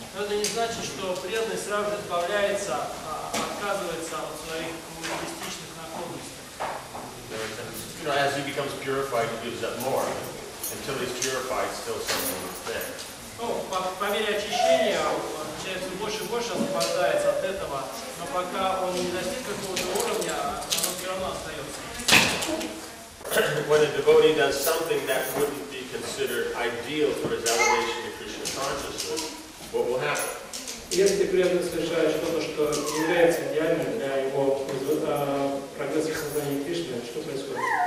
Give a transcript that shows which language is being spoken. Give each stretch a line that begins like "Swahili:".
Russian: Но это не значит, что преданный сразу же избавляется, отказывается от своих материалистичных наклонностей.
English: You know, as he becomes purified, he gives up more. Until he's purified, still something is there.
Russian: По мере очищения человек все больше и больше освобождается от этого, но пока он не достиг какого-то уровня, оно все равно остается.
English: When a devotee does something that wouldn't be considered ideal for his elevation to Krishna consciousness, what will happen?
Russian: Если преданный совершает что-то, что является идеальным для его прогресса в сознании Кришны, что происходит?